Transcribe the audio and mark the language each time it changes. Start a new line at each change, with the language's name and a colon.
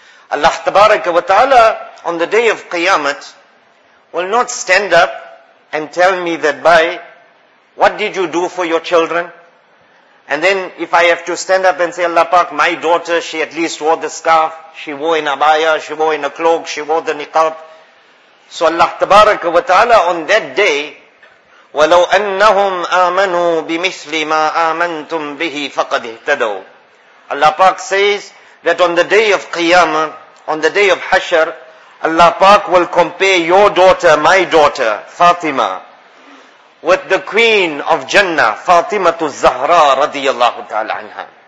English: Allah tabaraka wa ta'ala on the day of Qiyamah will not stand up and tell me that, bhai, what did you do for your children? And then if I have to stand up and say, Allah pak, my daughter, she at least wore the scarf, she wore in abaya, she wore in a cloak, she wore the niqab. So Allah tabaraka wa ta'ala on that day,
Arabic: وَلَوْ أَنَّهُمْ آمَنُوا بِمِثْلِ مَا آمَنْتُمْ بِهِ فَقَدْ اِهْتَدَوْا.
English: Allah Pak says that on the day of Qiyamah, on the day of Hashr, Allah Pak will compare your daughter, my daughter, Fatima, with the queen of Jannah, Fatimatu Zahra radiyallahu ta'ala anha.